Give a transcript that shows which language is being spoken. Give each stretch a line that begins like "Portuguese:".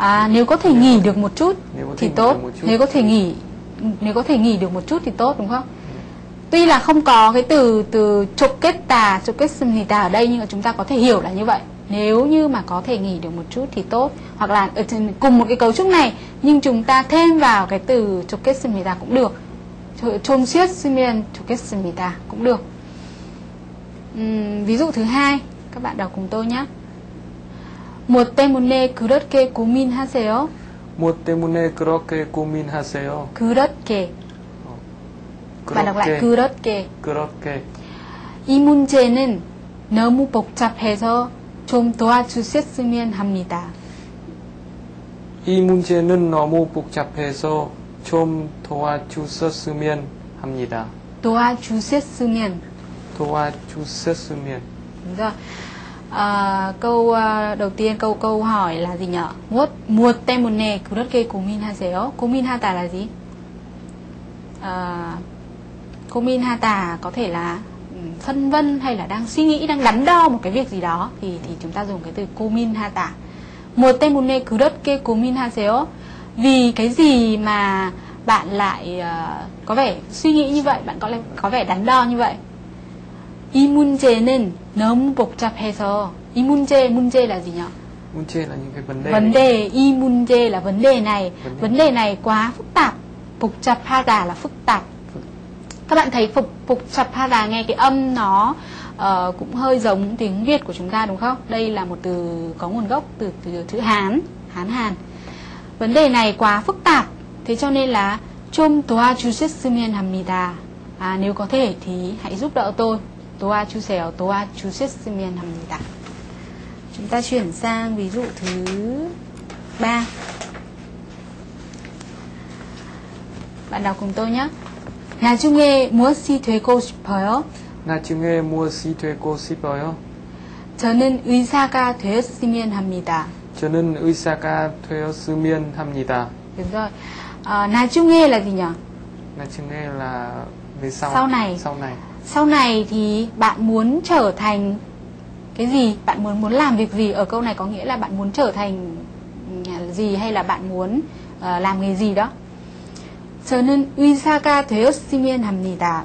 Vietnamese: Nếu có thể nghỉ được một chút thì tốt. Nếu có thể nghỉ được một chút thì tốt đúng không? Tuy là không có cái từ 좋겠습니다 ở đây, nhưng mà chúng ta có thể hiểu là như vậy. Nếu như mà có thể nghỉ được một chút thì tốt, hoặc là ở trên cùng một cái cấu trúc này nhưng chúng ta thêm vào cái từ 좋겠습니다 cũng được.
Korean: 좀 쉬었으면 좋겠습니다
Vietnamese: cũng được. Ví dụ thứ hai, các bạn đọc cùng tôi nhé.
Korean: 뭐 때문에 그렇게 고민하세요? 뭐 때문에 그렇게 고민하세요? 그렇게. 말
Vietnamese: đọc lại
Korean: 그렇게. 그렇게. 이 문제는 너무 복잡해서 좀 도와주셨으면 합니다. 이 문제는 너무 복잡해서 좀 도와주셨으면 합니다. 도와주셨으면. 도와주셨으면. 그래서
Vietnamese: câu đầu tiên, câu hỏi là gì nhở?
Korean: 뭐 때문에 그렇게 고민하세요?
Vietnamese: 고민하다 là gì? 고민하다 có thể là phân vân hay là đang suy nghĩ, đang đắn đo một cái việc gì đó, thì chúng ta dùng cái từ 고민하다.
Korean: 뭐 때문에 그렇게 고민하세요?
Vietnamese: Vì cái gì mà bạn lại có vẻ suy nghĩ như vậy, bạn có vẻ đắn đo như vậy?
Korean: 이 문제는 너무 복잡해서. 이 문제, 문제
Vietnamese: là gì nhỉ? 문제 là những cái vấn đề. Vấn đề,
Korean: 이 문제
Vietnamese: là vấn đề này. Vấn đề này quá phức tạp. 복잡하다 là phức tạp. Các bạn thấy 복잡하다 nghe cái âm nó cũng hơi giống tiếng Việt của chúng ta đúng không? Đây là một từ có nguồn gốc từ chữ Hán, Hán Hàn. Vấn đề này quá phức tạp, thế cho nên là
Korean: 좀 도와주셨으면 합니다.
Vietnamese: À, nếu có thể thì hãy giúp đỡ tôi.
Korean: 도와주세요, 도와주셨으면 합니다.
Vietnamese: Chúng ta chuyển sang ví dụ thứ 3. Bạn đọc cùng tôi nhé.
Korean: 나중에 무엇이 되고 싶어요? 나중에 무엇이 되고 싶어요? 저는 의사가 되었으면 합니다. 저는 의사가 되었으면 합니다. 그래서 나중에
Vietnamese: là gì nhỉ? 나중에 là về sau. Sau này. Sau này. Sau này thì bạn muốn trở thành cái gì? Bạn muốn muốn làm việc gì? Ở câu này có nghĩa là bạn muốn trở thành gì hay là bạn muốn làm nghề gì đó?
Korean: 저는 의사가 되었으면 합니다.